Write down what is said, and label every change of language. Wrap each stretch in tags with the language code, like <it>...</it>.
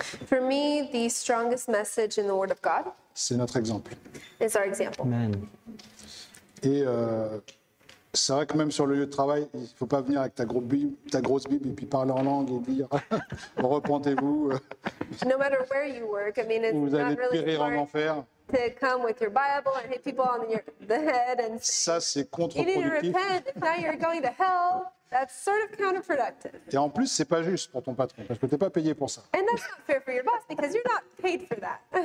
<en>For me, the strongest message in the Word of God.</en> <fr>C'est notre exemple.</fr> <en>It's our example.</en> <fr>Amen. Et c'est vrai que même sur le lieu de travail, il ne faut pas venir avec ta grosse Bible et puis parler en langue et dire « Repentez-vous. »</fr> <en>No matter where you work, I mean, it's</en> <fr>vous allez</fr> <en>not really</en> <fr>périr en enfer.</fr> <en>To come with your Bible and hit people on the head and say,</en> <fr>ça, c'est contre-productif.</fr> <en>You need to repent, if not you're going to hell. That's sort of counterproductive.</en> <fr>Et en plus, c'est pas juste pour ton patron, parce que t'es pas payé pour ça.</fr> <en>And that's not fair for your boss, because you're not paid for that.</en>